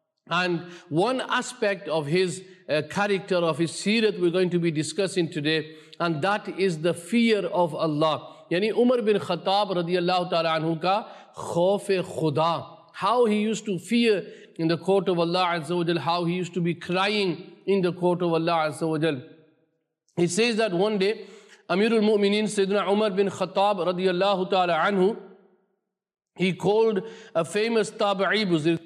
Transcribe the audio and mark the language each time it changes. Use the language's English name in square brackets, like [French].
[English] And one aspect of his character, of his seerat, we're going to be discussing today, and that is the fear of Allah. [Urdu] یعنی عمر بن خطاب رضی اللہ تعالیٰ عنہ کا خوف خدا. [English] How he used to fear in the court of Allah عز و جل, how he used to be crying in the court of Allah عز و جل. He says that one day, امیر المؤمنین سیدنا عمر بن خطاب رضی اللہ تعالیٰ عنہ, he called a famous tabi'i buzurg.